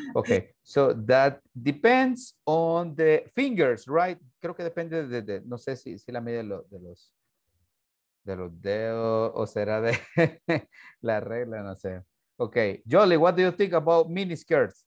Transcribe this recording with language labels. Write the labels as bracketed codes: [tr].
[en] Ok, so that depends on the fingers, right? [es] Creo que depende de no sé si la medida de los dedos o será de la regla, no sé. [en] Okay, Jolly, what do you think about mini skirts?